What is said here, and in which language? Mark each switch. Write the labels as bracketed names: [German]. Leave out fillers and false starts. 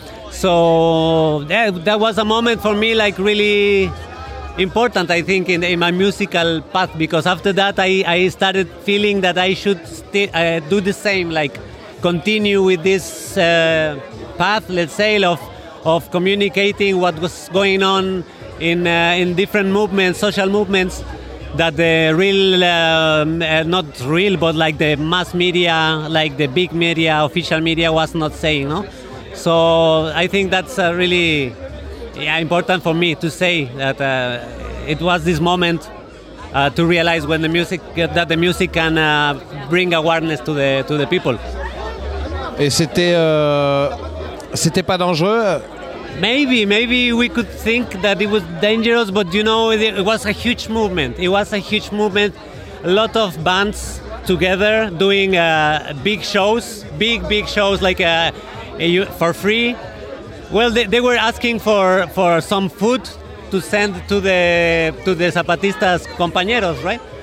[English] So that was a moment for me, like really important, I think, in my musical path, because after that I started feeling that I should do the same, like continue with this path, let's say, of communicating what was going on in different movements, social movements, that the like the mass media, like the big media, official media was not saying, no? So I think that's really important for me to say that it was this moment to realize when the music that the music can bring awareness to the people. [French] Et c'était pas dangereux? [English] Maybe we could think that it was dangerous, but you know, it was a huge movement. It was a huge movement. A lot of bands together doing big shows, big shows, like for free. Well, they were asking for some food to send to the Zapatistas compañeros, right?